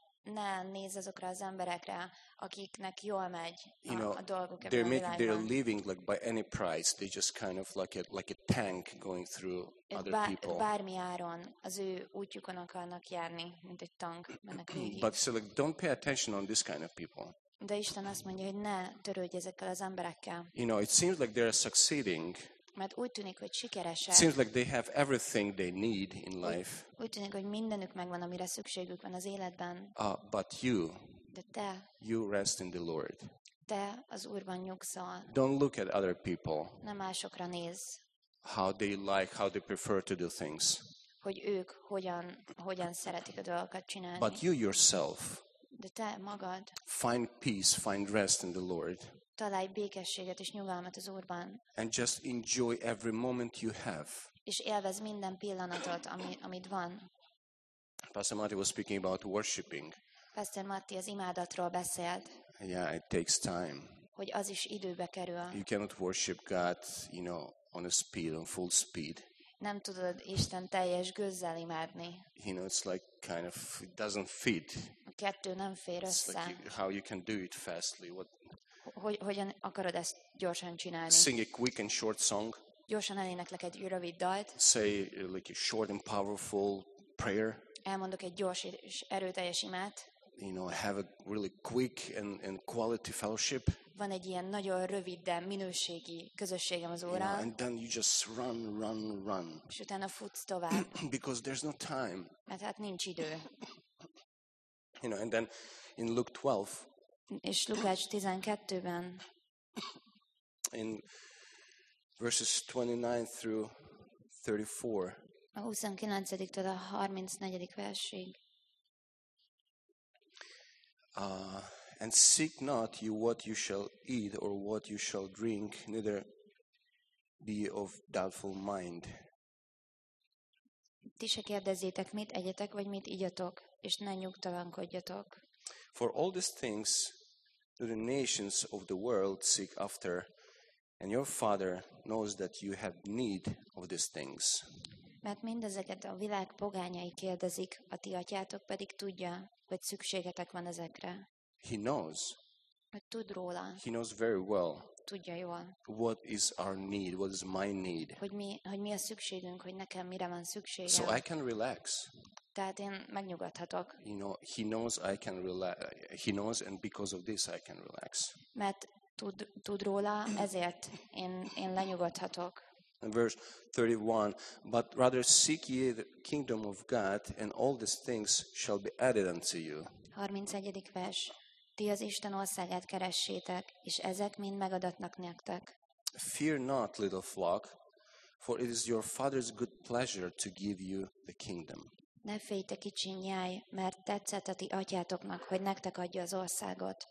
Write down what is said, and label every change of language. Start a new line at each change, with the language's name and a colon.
Hungarian: Ne nézz azokra az emberekre, akiknek jól megy a dolguk ebben a világban.
English: They're living like by any price. They're just kind of like a tank going through other people.
Hungarian: Bármi áron az ő útjukon akarnak járni, mint egy tank mennek végig.
English: But so like, don't pay attention on this kind of people.
Hungarian: De Isten azt mondja, hogy ne törődj ezekkel az emberekkel.
English: You know, it seems like they're succeeding.
Hungarian: Mert úgy tűnik, hogy sikeresek.
English: Seems like they have everything they need in life.
Hungarian: Úgy tűnik, hogy mindenük megvan, amire szükségük van az életben.
English: But you.
Hungarian: De te.
English: You rest in the Lord.
Hungarian: Te az Úrban nyugszol.
English: Don't look at other people.
Hungarian: Nem másokra néz.
English: How they like, how they prefer to do things.
Hungarian: Hogy ők hogyan szeretik a dolgokat csinálni.
English: But you yourself.
Hungarian: De te magad.
English: Find peace, find rest in the Lord.
Hungarian: Találj békességet és nyugalmat az Úrban.
English: And just enjoy every moment you have.
Hungarian: És élvezd minden pillanatot, amit van.
English: Pastor Marty was speaking about worshiping.
Hungarian: Pastor Marty az imádatról beszélt.
English: Yeah, it takes time.
Hungarian: Hogy az is időbe kerül.
English: You cannot worship God, you know, on a speed, on full speed.
Hungarian: Nem tudod Isten teljes gőzzel imádni.
English: You know, it's like kind of, it doesn't fit.
Hungarian: A kettő nem fér össze.
English: It's like how you can do it fastly, what...
Hungarian: Hogyan akarod ezt gyorsan csinálni?
English: Sing a quick and short song.
Hungarian: Gyorsan eléneklek egy rövid dalt.
English: Say like a short and powerful prayer.
Hungarian: Elmondok egy gyors és erőteljes imát.
English: You know, have a really quick and quality fellowship.
Hungarian: Van egy ilyen nagyon rövid, de minőségi közösségem az órán.
English: You know, and then you just run.
Hungarian: És utána futsz tovább.
English: Because there's no time.
Hungarian: Mert hát nincs idő.
English: You know, and then in Luke 12.
Hungarian: És Lukács 12-ben
English: in verses 29 through 34
Hungarian: a 29-től a 34. versig
English: and seek not you what you shall eat or what you shall drink, neither be of doubtful mind.
Hungarian: Ti se kérdezzétek, mit egyetek vagy mit igyatok, és ne nyugtalankodjatok.
English: For all these things do the nations of the world seek after, and your Father knows that you have need of these things.
Hungarian: Mert mindezeket a világ pogányai kérdezik, a ti atyátok pedig tudja, hogy szükségetek van ezekre.
English: He knows.
Hungarian: Mert tud róla.
English: He knows very well.
Hungarian: Tudja jól.
English: What is our need? What is my need?
Hungarian: Hogy mi a szükségünk, hogy nekem mire van szükségem.
English: So I can relax.
Hungarian: Tehát én megnyugodhatok.
English: You know, he knows I can relax. He knows, and because of this, I can relax.
Hungarian: Mert tud róla, ezért én lenyugodhatok.
English: And verse 31. But rather seek ye the kingdom of God, and all these things shall be added unto you.
Hungarian: 31. vers. Ti az Isten országát keressétek, és ezek mind megadatnak nektek.
English: Fear not, little flock, for it is your Father's good pleasure to give you the kingdom.
Hungarian: Ne félj, te kicsi nyáj, mert tetszett a ti atyátoknak, hogy nektek adja az országot.